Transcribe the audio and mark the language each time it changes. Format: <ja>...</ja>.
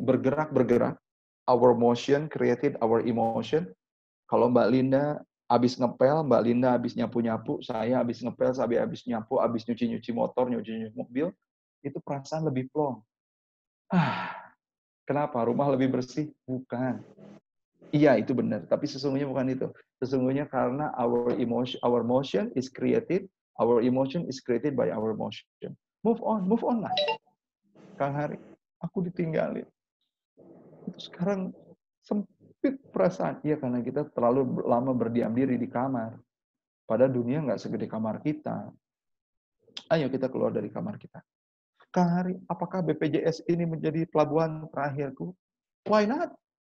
<en>Bergerak. Our motion created our emotion. Kalau Mbak Linda,</en> <id>abis ngepel, Mbak Linda abis nyapu-nyapu, saya abis ngepel, Sabi abis nyapu, abis nyuci-nyuci motor, nyuci-nyuci mobil, itu perasaan lebih plong. Kenapa? Rumah lebih bersih? Bukan. Iya, itu benar. Tapi sesungguhnya bukan itu. Sesungguhnya karena</id> <en>our emotion is created by our motion.</en> <id>Move on lah. Kang Hari, aku ditinggalin. Itu sekarang sempit perasaan. Iya, karena kita terlalu lama berdiam diri di kamar. Padahal dunia nggak segede kamar kita. Ayo kita keluar dari kamar kita. Kang Hari, apakah BPJS ini menjadi pelabuhan terakhirku?</id> <en>Why not?</en>